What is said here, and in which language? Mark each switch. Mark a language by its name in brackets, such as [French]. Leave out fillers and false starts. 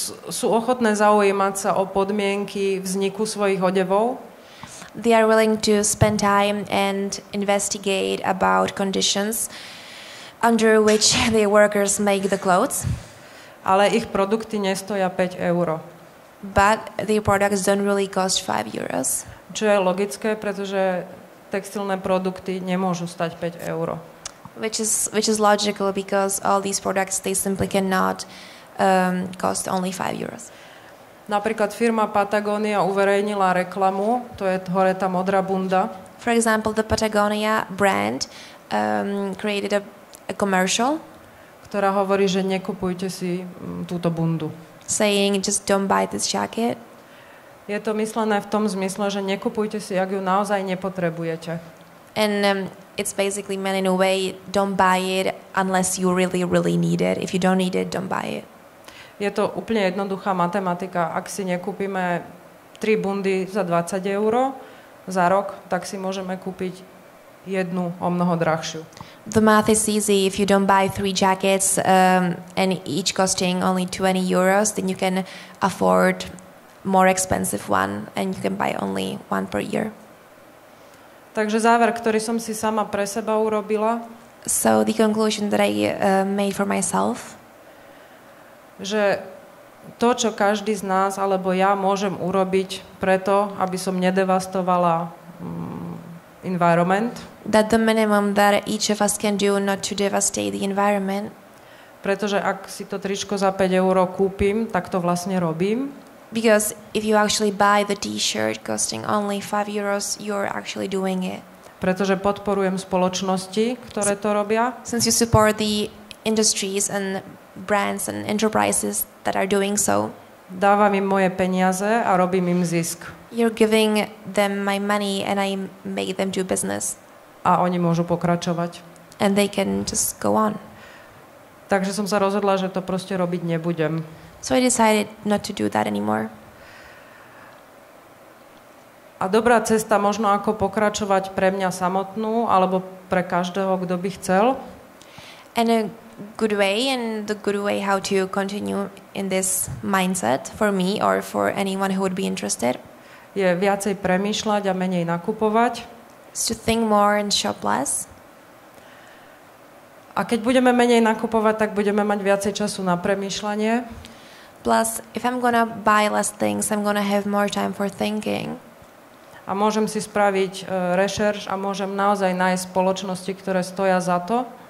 [Slovak] Sú ochotné zaujímať sa o podmienky vzniku svojich odevov. [English] They are willing to spend time and investigate about conditions under which their workers make the clothes. [Slovak] Ale ich produkty nestoja 5 euro. [English] But their products don't really cost 5 euros. [Slovak] Čo je logické, pretože textilné produkty nemôžu stať 5 euro. [English] which is logical because all these products they simply cannot cost only 5 euros. [Slovak] Napríklad firma Patagonia uverejnila reklamu, to je hore tá modrá bunda. [English] For example, the Patagonia brand created a commercial, [Slovak] ktorá hovorí, že nekupujte si túto bundu. [English] Saying just don't buy this jacket. [Slovak] Je to myslené v tom zmysle, že nekupujte si, ak ju naozaj nepotrebujete. [English] And it's basically meant in a way, don't buy it unless you really, really need it. If you don't need it, don't buy it. [Slovak] Je to úplne jednoduchá matematika. Ak si nekúpime 3 bundy za 20 eur za rok, tak si môžeme kúpiť jednu o mnoho drahšiu. [English] The math is easy. If you don't buy 3 jackets and each costing only 20 euros, then you can afford more expensive one and you can buy only one per year. [Slovak] Takže záver, ktorý som si sama pre seba urobila. [English] So the conclusion that I made for myself. [Slovak] Že to, čo každý z nás alebo ja môžem urobiť preto, aby som nedevastovala environment. [English] That the minimum that each of us can do not to devastate the environment. [Slovak] Pretože ak si to tričko za 5 eur kúpim, tak to vlastne robím. [English] Because if you actually buy the t-shirt costing only 5 euros, you're actually doing it. [Slovak] Pretože podporujem spoločnosti, ktoré to robia. [English] Since you support the industries and brands and enterprises that are doing so. [Slovak] Dávam im moje peniaze a robím im zisk. [English] You're giving them my money and I make them do business. [Slovak] A oni môžu pokračovať. [English] And they can just go on. [Slovak] Takže som sa rozhodla, že to proste robiť nebudem. [English] So I decided not to do that anymore. [Slovak] A dobrá cesta možno ako pokračovať pre mňa samotnú alebo pre každého, kto by chcel. [English] And a good way and the good way how to continue in this mindset for me or for anyone who would be interested. [Slovak] Je viacej premýšľať a menej nakupovať. [English] It's to think more and shop less. [Slovak] A keď budeme menej nakupovať, tak budeme mať viacej času na premýšľanie. [English] Plus, if I'm gonna buy less things, I'm gonna have more time for thinking. [Slovak] A môžem si spraviť research a môžem naozaj nájsť spoločnosti, ktoré stoja za to.